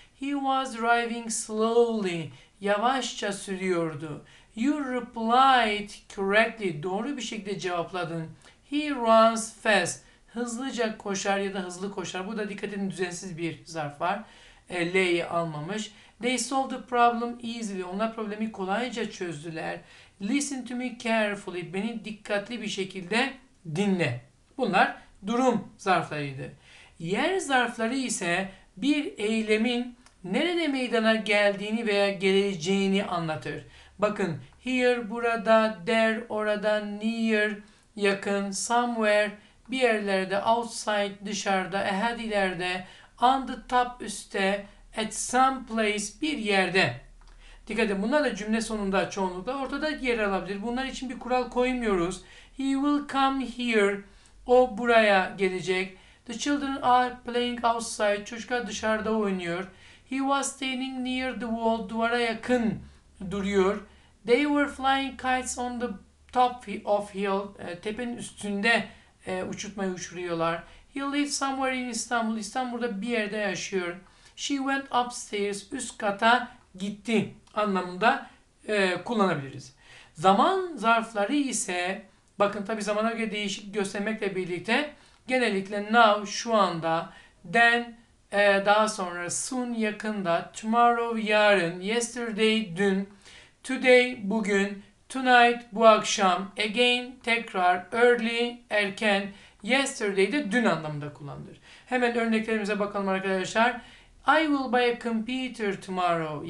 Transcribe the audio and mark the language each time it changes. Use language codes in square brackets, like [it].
[en] He was driving slowly [tr] yavaşça sürüyordu. [en] You replied correctly. [tr] Doğru bir şekilde cevapladın. [en] He runs fast. [tr] Hızlıca koşar ya da hızlı koşar. Burada dikkat edin düzensiz bir zarf var. L'yi almamış. [en] They solved the problem easily. [tr] Onlar problemi kolayca çözdüler. [en] Listen to me carefully. [tr] Beni dikkatli bir şekilde dinle. Bunlar durum zarflarıydı. Yer zarfları ise bir eylemin nerede meydana geldiğini veya geleceğini anlatır. Bakın here, burada, there, orada, near, yakın, somewhere, bir yerlerde, outside, dışarıda, ahead, ileride, [en] on the top, [tr] üstte, [en] at some place, [tr] bir yerde. Dikkat edin, bunlar da cümle sonunda çoğunlukla ortada yer alabilir. Bunlar için bir kural koymuyoruz. [en] He will come here. [tr] O buraya gelecek. [en] The children are playing outside. [tr] Çocuklar dışarıda oynuyor. [en] He was standing near the wall. [tr] Duvara yakın duruyor. [en] They were flying kites on the top of hill. [tr] Tepenin üstünde uçurtmayı uçuruyorlar. [en] He lives somewhere in Istanbul. [tr] İstanbul'da bir yerde yaşıyor. [en] She went upstairs. [tr] Üst kata gitti anlamında kullanabiliriz. Zaman zarfları ise bakın tabi zamana göre değişik göstermekle birlikte genellikle now şu anda, then daha sonra, soon yakında, tomorrow yarın, yesterday dün, today bugün, tonight bu akşam, again tekrar, early erken, yesterday de dün anlamında kullanılır. Hemen örneklerimize bakalım arkadaşlar. [en] I will buy a computer tomorrow.